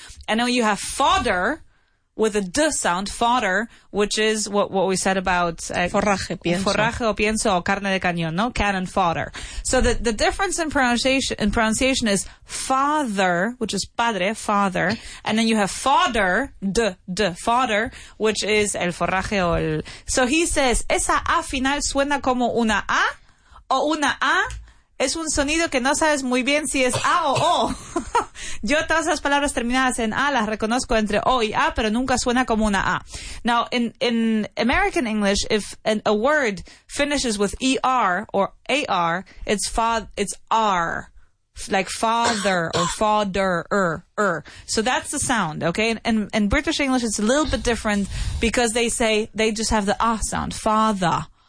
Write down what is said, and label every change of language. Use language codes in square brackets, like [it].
[en] I know you have fodder, with a D sound, fodder, which is what we said about [es] forraje, pienso. Forraje o pienso, o carne de cañón, no? [en] Cannon fodder. So the difference in pronunciation is father, which is padre, father, and then you have fodder, D, fodder, which is [es] el forraje o el... [en] So he says, [es] ¿esa A final suena como una A o una A? Es un sonido que no sabes muy bien si es A o O. Yo todas las palabras terminadas en A las reconozco entre O y A, pero nunca suena como una A. [en] Now, in American English, if a word finishes with ER or AR, it's R. Like father or fodder, So that's the sound, okay? In British English, it's a little bit different because they say they just have the A sound, father.